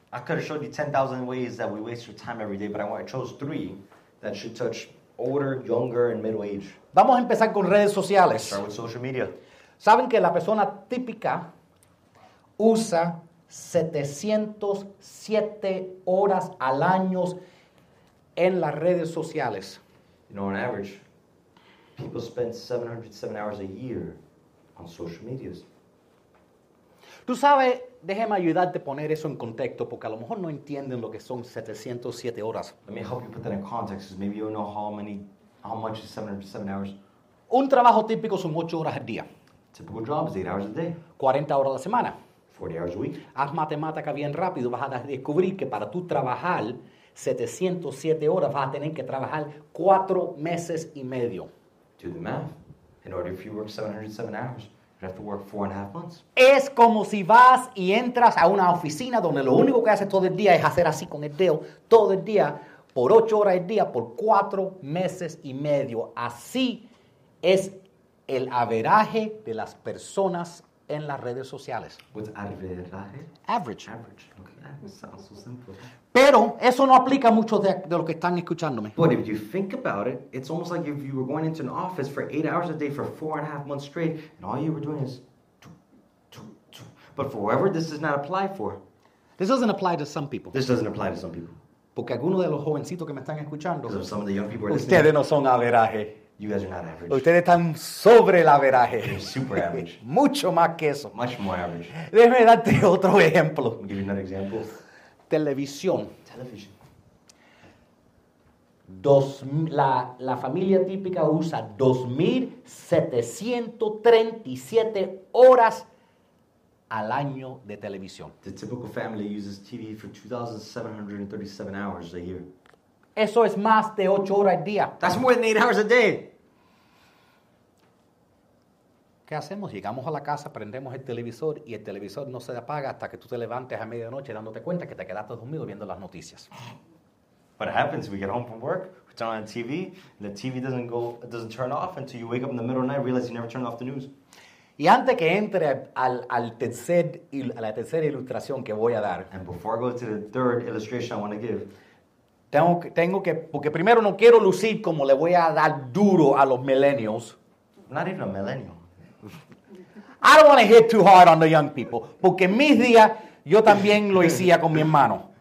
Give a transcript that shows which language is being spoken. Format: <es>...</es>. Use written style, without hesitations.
<en>I could have showed you 10,000 ways that we waste your time every day, but I chose three that should touch older, younger, and middle age.</en> <es>Vamos a empezar con redes sociales.</es> <en>Start with social media.</en> <es>¿Saben que la persona típica usa 707 horas al año en las redes sociales?</es> <en>You know, on average, people spend 707 hours a year on social media.</en> <es>Tú sabes, déjame ayudarte a poner eso en contexto, porque a lo mejor no entienden lo que son 707 horas.</es> <en>Let me help you put that in context, because maybe you don't know how much is 707 hours.</en> <es>Un trabajo típico son 8 horas al día.</es> <en>Typical job is 8 hours a day.</en> <es>40 horas a la semana.</es> <en>40 hours a week.</en> <es>Haz matemática bien rápido. Vas a descubrir que para tú trabajar 707 horas, vas a tener que trabajar 4 meses y medio.</es> <en>Do the math. In order, if you work 707 hours, you have to work 4.5 months.</en> <es>Es como si vas y entras a una oficina donde lo único que haces todo el día es hacer así con el dedo, todo el día, por 8 horas al día, por 4 meses y medio. Así es el averaje de las personas en las redes sociales.</es> <en>What's averaje? Average. Average. Okay, that sounds so simple.</en> <es>Pero eso no aplica mucho de lo que están escuchándome.</es> <en>But if you think about it, it's almost like if you were going into an office for 8 hours a day for 4.5 months straight, and all you were doing is... But for whoever, this does not apply for. This doesn't apply to some people. This doesn't apply to some people.</en> <es>Porque algunos de los jovencitos que me están escuchando...</es> <en>Because some of the young people are listening.</en> <es>Ustedes no son averaje.</es> <en>You guys are not average.</en> <es>Ustedes están sobre el averaje.</es> <en>You're super average.</en> <es>Mucho más que eso.</es> <en>Much more average.</en> <es>Déjame darte otro ejemplo.</es> <en>I'll give you another example.</en> <es>Televisión.</es> <en>Television.</en> <es>La familia típica usa 2,737 horas al año de televisión.</es> <en>The typical family uses TV for 2,737 hours a year.</en> <es>Eso es más de 8 horas al día.</es> <en>That's more than 8 hours a day.</en> <es>¿Qué hacemos? Llegamos a la casa, prendemos el televisor y el televisor no se apaga hasta que tú te levantes a medianoche dándote cuenta que te quedaste dormido viendo las noticias.</es> <en>What happens? We get home from work, we turn on the TV, and the TV doesn't turn off until you wake up in the middle of the night and realize you never turned off the news.</en> <es>Y antes que entre a la tercera ilustración que voy a dar.</es> <en>And before I go to the third illustration I want to give.</en> <es>Tengo que, porque primero no quiero lucir como le voy a dar duro a los millennials.</es> <en>Not even a millennial. I don't want to hit too hard on the young people.</en> <es>Porque en mis días, yo también lo hacía con mi hermano.</es>